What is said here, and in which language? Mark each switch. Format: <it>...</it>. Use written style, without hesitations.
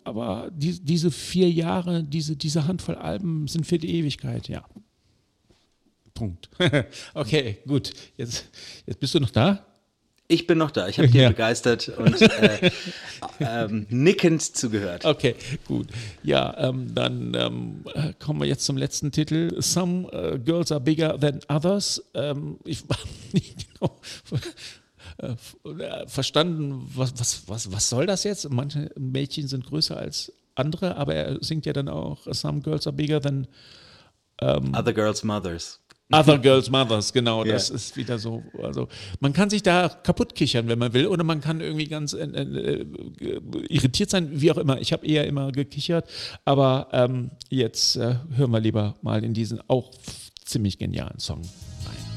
<de>Aber diese 4 Jahre, diese Handvoll Alben sind für die Ewigkeit, ja. Punkt. Okay, gut. Jetzt bist du noch da? Ich bin noch da. Ich habe dir begeistert und nickend zugehört. Okay, gut. Ja, dann kommen wir jetzt zum letzten Titel.</de> <en>Some Girls Are Bigger Than Others.</en> <de>Ich war nicht genau verstanden, was soll das jetzt? Manche Mädchen sind größer als andere, aber er singt ja dann auch</de> <en>Some Girls Are Bigger Than Other Girls' Mothers. Other Girls' Mothers,</en> <de>genau, das ist wieder so. Also man kann sich da kaputt kichern, wenn man will, oder man kann irgendwie ganz irritiert sein, wie auch immer. Ich habe eher immer gekichert, aber jetzt hören wir lieber mal in diesen auch ziemlich genialen Song rein.</de>